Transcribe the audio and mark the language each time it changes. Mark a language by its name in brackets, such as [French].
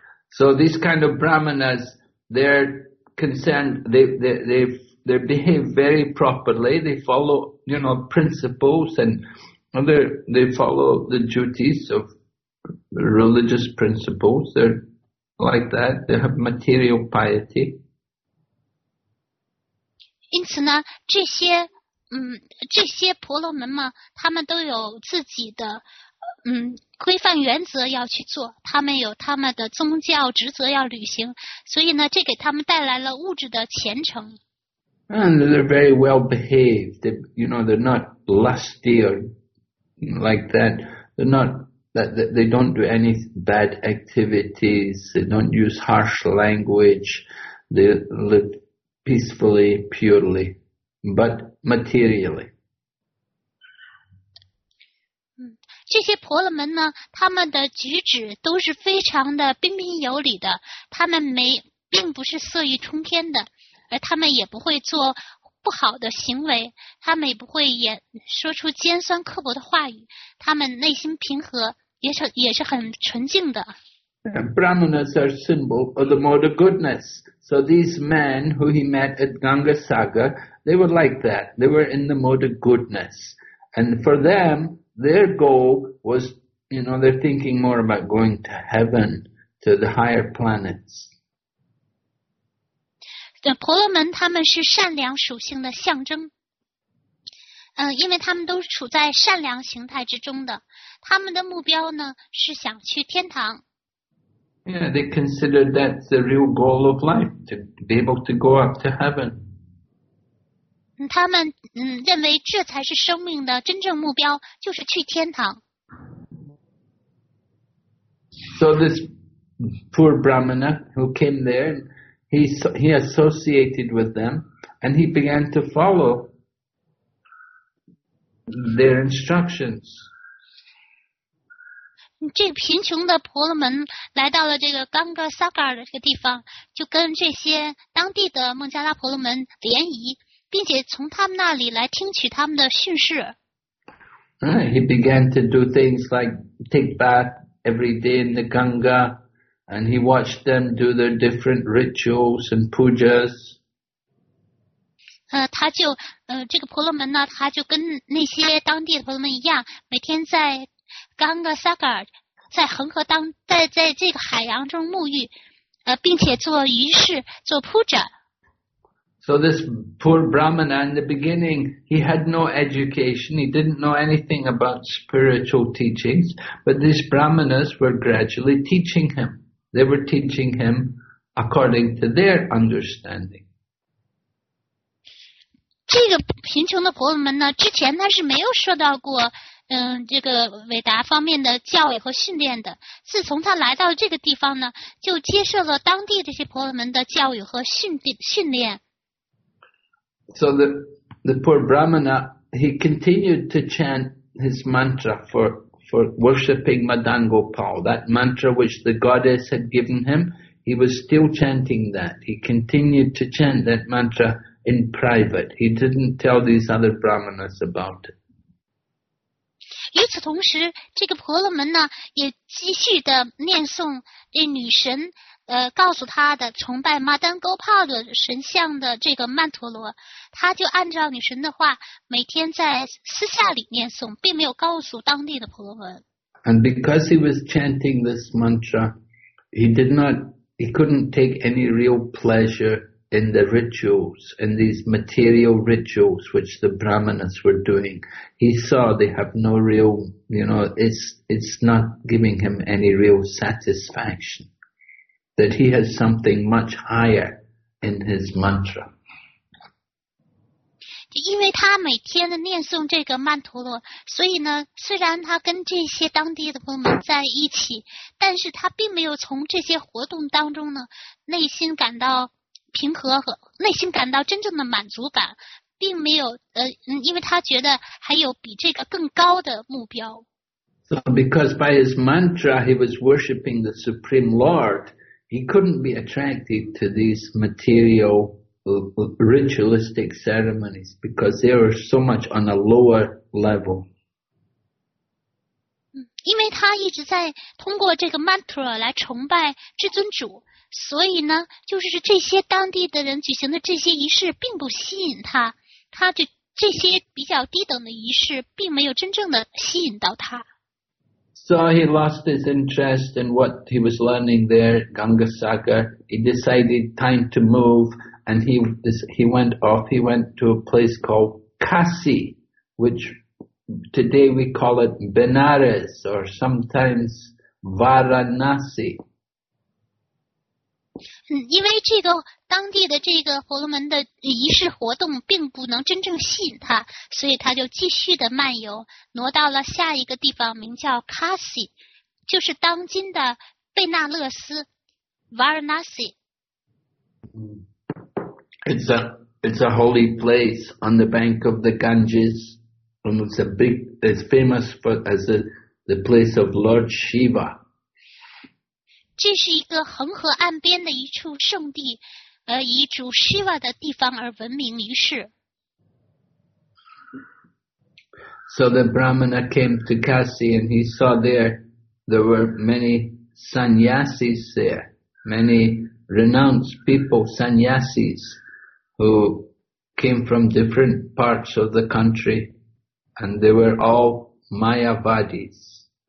[English] So these kind of brahmanas, they're concerned, they behave very properly, they follow, you know, principles andthey follow the duties of religious principles. They're like that. They have material piety. [Chinese] 因此呢，这些婆罗门嘛，他们都有自己的规范原则要去做，他们有他们的宗教职责要履行，所以呢，这给他们带来了物质的虔诚。 [English] And they're very well behaved. You know, they're not lusty or. Like that, they're not, that they don't do any bad activities, they don't use harsh language, they live peacefully, purely, but materially. [Chinese] 这些婆罗门呢，他们的举止都是非常的彬彬有礼的，他们并不是色欲冲天的，而他们也不会做不好的行为，他们也不会言说出尖酸刻薄的话语，他们内心平和，也是很纯净的。 [English] Brahmanas are symbol of the mode of goodness. So these men who he met at Ganga Sagar, they were like that. They were in the mode of goodness. And for them, their goal was, you know, they're thinking more about going to heaven, to the higher planets. [Chinese] 婆罗门他们是善良属性的象征，因为他们都处在善良形态之中的，他们的目标呢是想去天堂。 [English] Yeah, they consider that's the real goal of life, to be able to go up to heaven. [Chinese] 他们认为这才是生命的真正目标，就是去天堂。 [English] So this poor Brahmana who came there, he associated with them, and he began to follow their instructions. [Chinese] 这贫穷的婆罗门来到了这个冈格萨嘎的这个地方，就跟这些当地的孟加拉婆罗门联谊，并且从他们那里来听取他们的训示。 [English] He began to do things like take bath every day in the Ganga, and he watched them do their different rituals and pujas. [Chinese] 他就这个婆罗门呢，他就跟那些当地的婆罗门一样，每天在Ganga Sagar 在恒河当在这个海洋中沐浴，并且做仪式做铺展。 [English] So this poor Brahmana in the beginning, he had no education, he didn't know anything about spiritual teachings, but these Brahmanas were gradually teaching him. They were teaching him according to their understanding. [Chinese] 这个贫穷的婆罗门呢，之前他是没有受到过这个韦达方面的教育和训练的。自从他来到这个地方呢，就接受了当地这些婆罗门的教育和训练。 [English] So the poor Brahmana, he continued to chant his mantra for worshipping Madan Gopal. That mantra which the goddess had given him, he was still chanting that. He continued to chant that mantra. In private, he didn't tell these other brahmanas about it. [Chinese] 与此同时，这个婆罗门呢，也继续的念诵这女神告诉他的崇拜马丹高帕的神像的这个曼陀罗。他就按照女神的话，每天在私下里念诵，并没有告诉当地的婆罗门。 [English] And because he was chanting this mantra, he couldn't take any real pleasure. In the rituals, in these material rituals which the Brahmanas were doing, he saw they have no real, you know, it's not giving him any real satisfaction. That he has something much higher in his mantra. [Chinese] 因为他每天的念诵这个曼陀罗，所以呢，虽然他跟这些当地的朋友们在一起，但是他并没有从这些活动当中呢，内心感到。平和和内心感到真正的满足感，并没有因为他觉得还有比这个更高的目标。 [English] So because by his mantra he was worshipping the Supreme Lord, he couldn't be attracted to these material ritualistic ceremonies because they were so much on a lower level. [Chinese] 因为他一直在通过这个 mantra 来崇拜至尊主。所以呢，就是这些当地的人举行的这些仪式并不吸引他，他就这些比较低等的仪式并没有真正的吸引到他。 [English] So he lost his interest in what he was learning there, Ganga Sagar. He decided time to move, and he went off. He went to a place called Kasi, which today we call it Benares or sometimes Varanasi. [Chinese] 因为这个当地的这个婆罗门的仪式活动并不能真正吸引他，所以他就继续的漫游，挪到了下一个地方，名叫 Kasi， 就是当今的贝纳勒斯 ，Varanasi。 [English] It's a holy place on the bank of the Ganges, and it's famous as the place of Lord Shiva. [Chinese] 这是一个恒河岸边的一处圣地，以主 Shiva 的地方而闻名于世。 [English] So the Brahmana came to Kasi and he saw there were many sannyasis there, many renounced people, sannyasis, who came from different parts of the country, and they were all Mayavadis.